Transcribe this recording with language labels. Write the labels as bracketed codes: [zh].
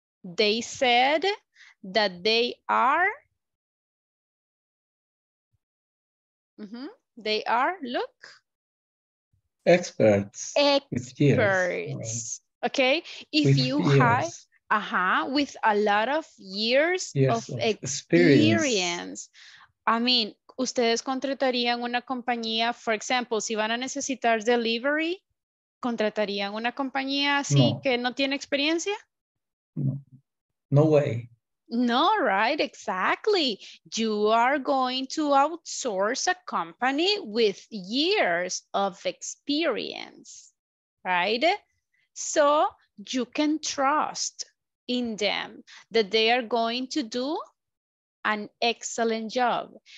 [en] They said that they are, they are, look. Experts. Okay, if with you have, with a lot of years of experience. [es] I mean, ustedes contratarían una compañía, [en] for example, [es] si van a necesitar delivery, contratarían una compañía así que no tiene experiencia? [en] No. No way. No, right, exactly. You are going to outsource a company with years of experience, right? So you can trust in them that they are going to do an excellent job.